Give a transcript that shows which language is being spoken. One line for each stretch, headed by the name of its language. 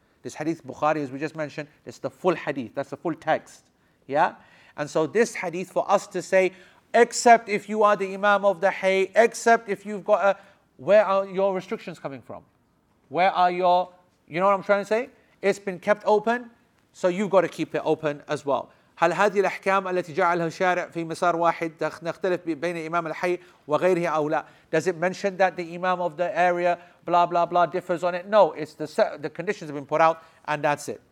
English: This hadith Bukhari, as we just mentioned, it's the full hadith. That's the full text. Yeah? And so this hadith for us to say, except if you are the imam of the hay, except if you've got a... Where are your restrictions coming from? Where are your... You know what I'm trying to say? It's been kept open, so you've got to keep it open as well.
Arabic: هل هذه الأحكام التي جعلها الشارع في مسار واحد نختلف بين إمام الحي وغيره أو لا?
English: Does it mention that the imam of the area, blah, blah, blah, differs on it? No, it's the conditions have been put out, and that's it.